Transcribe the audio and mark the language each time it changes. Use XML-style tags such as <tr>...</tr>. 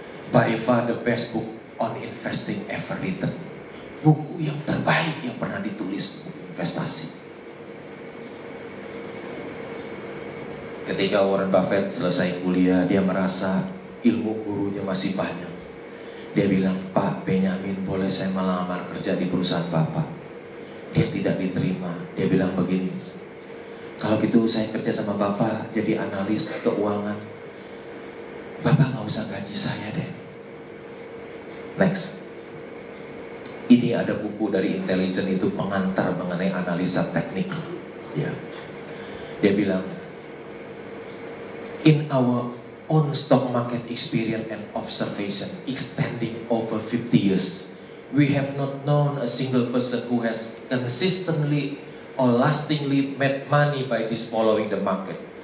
<en>By far the best book on investing ever written.</en> <id>Buku yang terbaik yang pernah ditulis investasi. Ketika Warren Buffett selesai kuliah, dia merasa ilmu gurunya masih banyak. Dia bilang, Pak Benjamin, boleh saya melamar kerja di perusahaan Bapak? Dia tidak diterima. Dia bilang begini, kalau gitu saya kerja sama Bapak jadi analis keuangan. Bapak gak usah gaji saya deh.</id> <en>Next.</en> <id>Ini ada buku dari Intelligent itu pengantar mengenai analisa teknik. Ya. Dia bilang,</id> <en>in our own stock market experience and observation extending over 50 years, we have not known a single person who has consistently or lastingly made money by this following the market.</en>